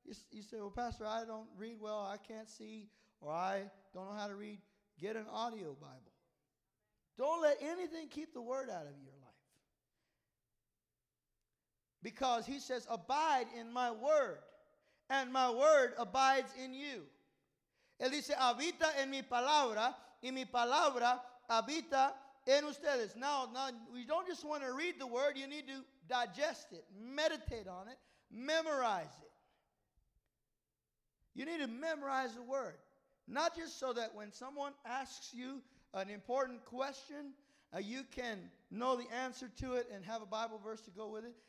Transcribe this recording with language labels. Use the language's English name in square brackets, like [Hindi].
[English] You say, well, Pastor, I don't read well, I can't see, or I don't know how to read. Get an audio Bible. Don't let anything keep the word out of your life. Because he says, abide in my word, and my word abides in you. [Spanish] Él dice, habita en mi palabra, y mi palabra habita en ustedes. [English] Now, you don't just want to read the word. You need to digest it, meditate on it, memorize it. You need to memorize the word. Not just so that when someone asks you an important question, you can know the answer to it and have a Bible verse to go with it.